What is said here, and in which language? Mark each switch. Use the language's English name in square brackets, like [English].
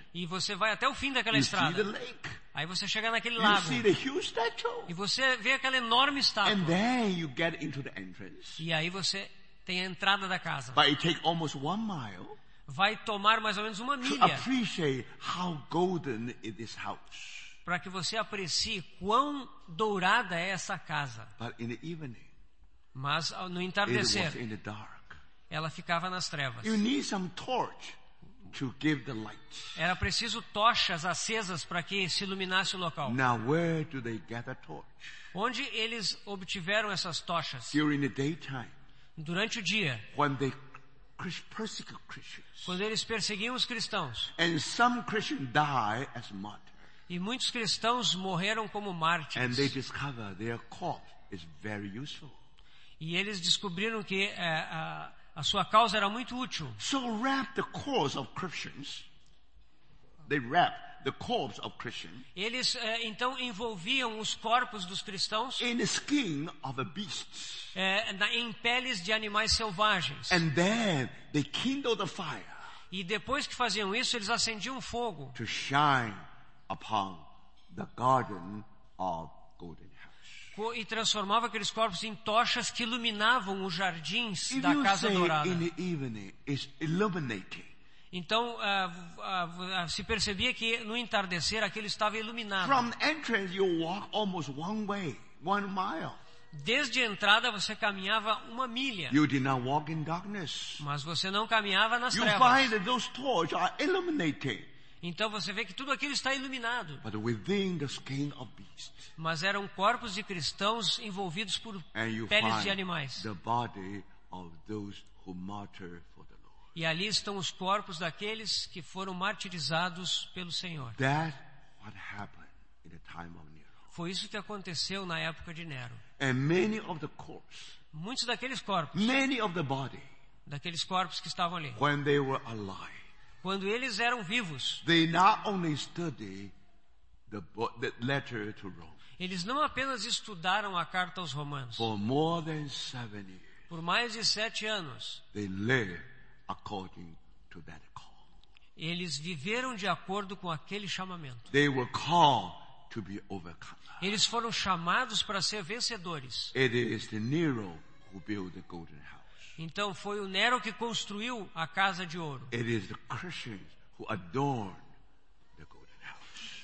[Portuguese] E você vai até o fim daquela [English] you [Portuguese] estrada. [English] See the lake. [Portuguese] Aí você chega naquele [English] you [Portuguese] lago. [English] See the huge statue. [Portuguese] E você vê aquela enorme estátua. [English] And then you get into the entrance. [Portuguese] E aí você tem a entrada da casa. [English] But it takes almost 1 mile. [Portuguese] Vai tomar mais ou menos uma milha. [English] To appreciate how golden is this house. [Portuguese] Para que você aprecie quão dourada é essa casa. [English] But in the evening, [Portuguese] mas no entardecer, ela ficava nas trevas. [English] You need some torch to give the light. [Portuguese] Era preciso tochas acesas para que se iluminasse o local. [English] Now, where do they get a torch? [Portuguese] Onde eles obtiveram essas tochas? [English] During the daytime, [Portuguese] durante o dia. [English] When they persecuted Christians. [Portuguese] Quando eles perseguiam os cristãos. [English] And some Christians die as martyrs. [Portuguese] E muitos cristãos morreram como mártires. [English] And they discover their corpse is very useful. [Portuguese] E eles descobriram que a sua causa era muito útil. [English] So wrap the corpse of Christians. They wrap the corpse of Christians. [Portuguese] Eles então envolviam os corpos dos cristãos. [English] In the skin of a beast. [Portuguese] Em peles de animais selvagens. [English] And then they kindled the fire. [Portuguese] E depois que faziam isso, eles acendiam fogo. [English] To shine upon the garden of Golden. [Portuguese] E transformava aqueles corpos em tochas que iluminavam os jardins [English] if [Portuguese] da Casa Dourada. [English] In the evening, it's illuminating. [Portuguese] Então, se percebia que no entardecer aquilo estava iluminado. [English] From entrance, you walk almost one way, 1 mile. [Portuguese] Desde a entrada você caminhava uma milha. [English] You did not walk in darkness. [Portuguese] Mas você não caminhava nas [English] you [Portuguese] trevas. [English] You find that those torches are illuminating. [Portuguese] Então você vê que tudo aquilo está iluminado. [English] But within the skin of beasts. [Portuguese] Mas eram corpos de cristãos envolvidos por peles de animais. [English] The body of those who martyr for the Lord. [Portuguese] E ali estão os corpos daqueles que foram martirizados pelo Senhor. [English] That what happened in the time of Nero. [Portuguese] Foi isso que aconteceu na época de Nero. [English] And many of the corpses, [Portuguese] muitos daqueles corpos, [English] many of the body, [Portuguese] daqueles corpos que estavam ali, [English] when they were alive, [Portuguese] quando eles eram vivos, [English] they not only studied the letter to Rome, [Portuguese] eles não apenas estudaram a carta aos romanos, [English] for more than 7 years, [Portuguese] por mais de 7 anos, [English] they lived according to that call. [Portuguese] Eles viveram de acordo com aquele chamamento. [English] They were called to be overcome. [Portuguese] Eles foram chamados para ser vencedores. [English] It is the Nero who built the golden house. [Portuguese] Então foi o Nero que construiu a casa de ouro. [English] It is the Christians who adorned the golden house.